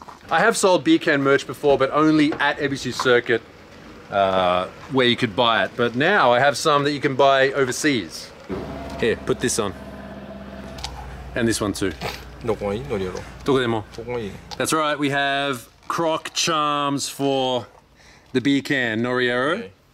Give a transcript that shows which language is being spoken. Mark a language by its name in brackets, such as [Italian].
[English] I have sold beer can merch before, but only at Ebisu Circuit where you could buy it. But now I have some that you can buy overseas. Here, put this on. And this one too. [Japanese] どこがいい?ノリエロ。どこでも。どこがいい? [English] That's right, we have croc charms for the beer can, Noriero.